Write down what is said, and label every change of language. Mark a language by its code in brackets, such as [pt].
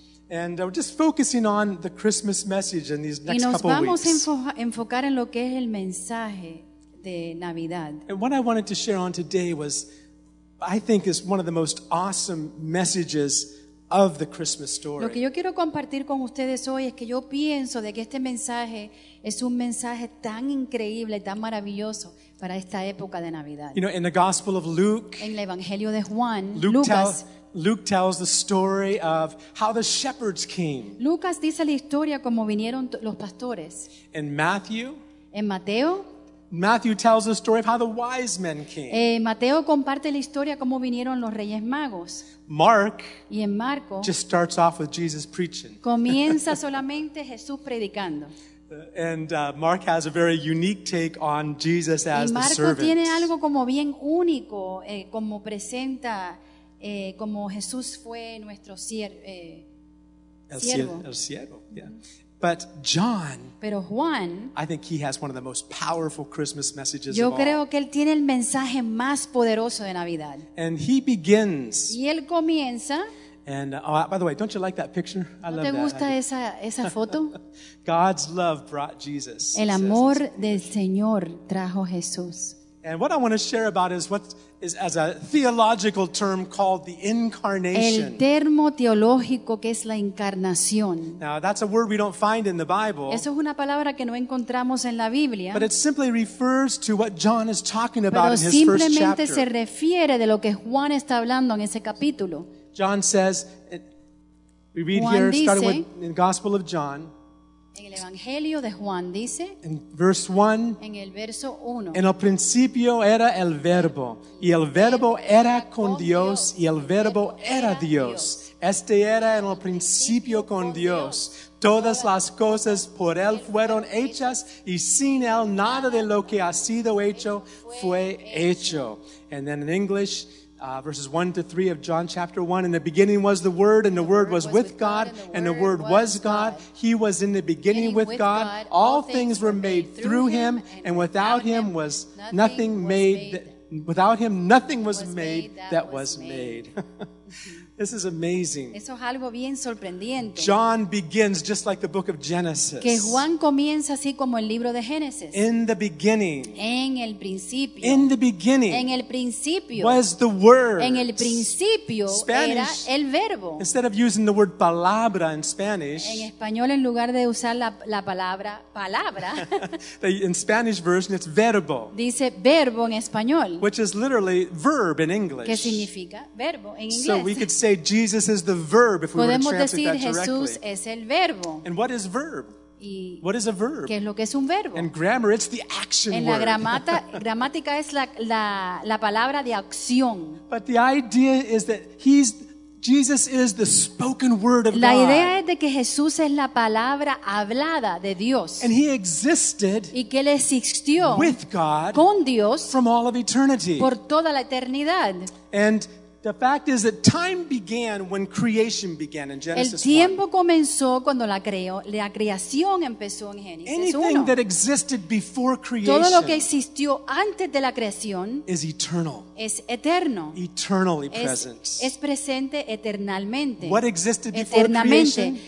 [en] And we're just focusing on the Christmas message in these next couple weeks. [es] Y nos vamos a enfocar en lo que es el mensaje de Navidad. [en] And what I wanted to share on today was, I think, is one of the most awesome messages of the Christmas story. [es] Lo que yo quiero compartir con ustedes hoy es que yo pienso de que este mensaje es un mensaje tan increíble, tan maravilloso para esta época de Navidad. [en] You know, in the Gospel of Luke, [es] en el Evangelio de Juan, Lucas [en] tells the story of how the shepherds came. [es] Lucas dice la historia como vinieron los pastores. [en] En Mateo tells the story of how the wise men came. [es] Mateo comparte la historia cómo vinieron los reyes magos. [en] Mark [es] y en Marco, [en] just starts off with Jesus preaching. [es] Comienza solamente Jesús predicando. [en] Mark has a very unique take on Jesus as the servant. [es] Y Marco tiene algo como bien único como presenta como Jesús fue nuestro siervo. El siervo, [en] yeah. Mm-hmm. But John, [es] pero Juan, [en] I think he has one of the most powerful Christmas messages [es] yo [en] of all. [es] Creo que él tiene el mensaje más poderoso de Navidad. [en] And he begins. [es] Y él comienza. [en] And by the way, don't you like that picture? I [es] ¿no [en] love [es] te gusta [en] that. [es] Esa foto? [en] God's love brought Jesus. [es] El amor del Señor trajo Jesús. [en] And what I want to share about is what is as a theological term called the incarnation. [es] El termo teológico que es la encarnación. [en] Now that's a word we don't find in the Bible. [es] Eso es una palabra que no encontramos en la Biblia. [en] But it simply refers to what John is talking about in his first chapter. [es] Pero simplemente se refiere de lo que Juan está hablando en ese capítulo. [en] John says, we read [es] Juan [en] here, [es] dice, [en] starting with in the Gospel of John. [es] En el Evangelio de Juan dice, [en] in verse 1, [es] en el verso 1, en el principio era el verbo, y el verbo era con Dios, y el verbo era Dios. Este era en el principio con Dios. Todas las cosas por él fueron hechas, y sin él nada de lo que ha sido hecho fue hecho. [en] And then in English, verses 1 to 3 of John chapter 1. In the beginning was the Word, and the Word was with God, and the Word was God. He was in the beginning with God. All things were made through him, and without him was nothing made. Without him, nothing was made that was made. This is amazing. [es] Eso es algo bien sorprendente. [en] John begins just like the book of Genesis. [es] Que Juan comienza así como el libro de Génesis. [en] In the beginning. [es] En el principio. [en] In the beginning. [es] En el principio. [en] Was the word. [es] En el principio [en] Spanish, [es] era el verbo. [en] Instead of using the word palabra in Spanish. [es] En español en lugar de usar la palabra palabra. [en] In Spanish version it's verbo. [es] Dice verbo en español. [en] Which is literally verb in English. [es] ¿Qué significa verbo en inglés? [en] So we could say Jesus is the verb if we [es] podemos [en] were to translate [es] decir, [en] that directly. [es] Jesús es el verbo. [en] And what is verb? What is a verb? [es] ¿Qué es lo que es un verbo? [en] And grammar, it's the action [es] en la gramática es la palabra de acción. [en] But the idea is that Jesus is the spoken word of God. [es] La idea es de que Jesús es la palabra hablada de Dios. [en] And he existed [es] y que él existió [en] with God [es] con Dios [en] from all of eternity. [es] Por toda la eternidad. [en] And the fact is that time began when creation began in Genesis 1. [es] El tiempo comenzó cuando la creación empezó en Génesis 1. [en] Anything that existed before creation, [es] todo lo que existió antes de la creación, [en] is eternal. [es] Es eterno. [en] Eternally present. [es] Es presente eternamente. [en] What existed before creation?